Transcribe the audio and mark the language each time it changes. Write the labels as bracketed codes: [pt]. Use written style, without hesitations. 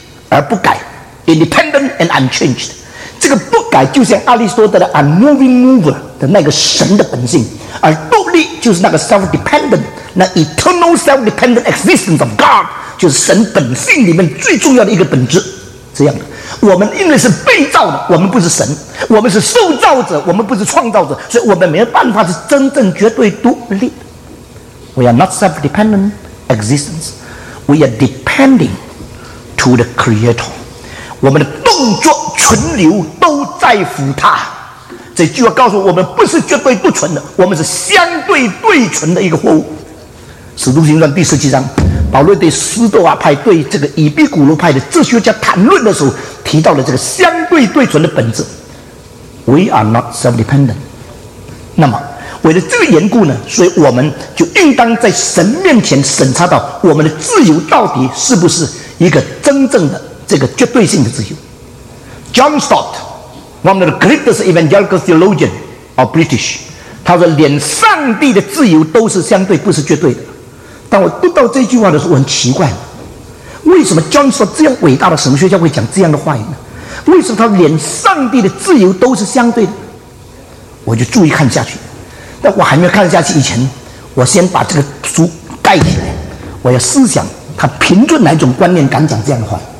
[zh] 而不改 [en] ，independent and unchanged。 [zh] 这个不改就像阿里斯多德的 unmoving mover 的那个神的本性，而独立就是那个 self-dependent， 那 [en] eternal self-dependent existence of God， [zh] 就是神本性里面最重要的一个本质。这样的，我们因为是被造的，我们不是神，我们是受造者，我们不是创造者，所以我们没有办法是真正绝对独立。 [en] We are not self-dependent existence. We are depending to the Creator. [zh] 我们的动作存留都在乎他。这句话告诉我们，不是绝对不存的，我们是相对对存的一个货物。使徒行传第十七章，保罗对斯多亚派、对这个以比古罗派的哲学家谈论的时候，提到了这个相对对存的本质。 [en] We are not self-dependent. [zh] 那么为了这个缘故呢，所以我们就应当在神面前审查到我们的自由到底是不是一个真正的这个绝对性的自由。 John Stott， [en] one of the greatest evangelical theologian of British， [zh] 他说连上帝的自由都是相对，不是绝对的。当我读到这句话的时候，我很奇怪，为什么 John Stott 这样伟大的神学家会讲这样的话语呢？为什么他连上帝的自由都是相对的？我就注意看下去，但我还没有看下去以前，我先把这个书盖起来，我要思想他凭着哪种观念敢讲这样的话。